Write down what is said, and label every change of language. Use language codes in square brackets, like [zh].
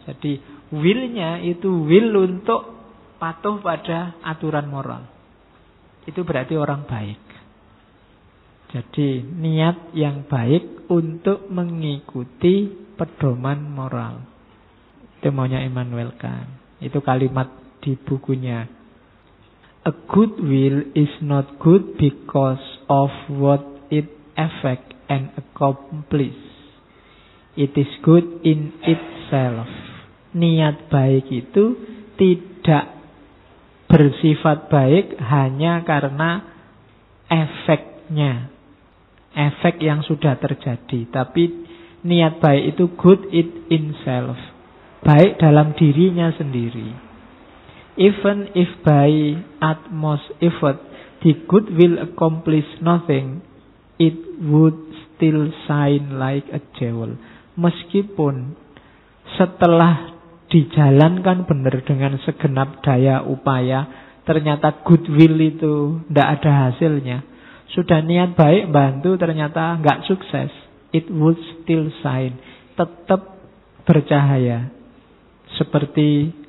[id] Jadi will-nya itu will untuk patuh pada aturan moral. Itu berarti orang baik. Jadi niat yang baik untuk mengikuti pedoman moral. Itu maunya Immanuel Kant. Itu kalimat di bukunya. [en] A good will is not good because of what it effect and accomplish. It is good in itself. [id] Niat baik itu tidak bersifat baik hanya karena efeknya. Efek yang sudah terjadi. Tapi niat baik itu [en] good in itself. [id] Baik dalam dirinya sendiri. [en] Even if by utmost effort the good will accomplish nothing, it would still shine like a jewel. [id] Meskipun setelah dijalankan benar dengan segenap daya upaya, ternyata good will itu tidak ada hasilnya. Sudah niat baik bantu, ternyata tidak sukses. [en] It would still shine. [id] Tetap bercahaya. Seperti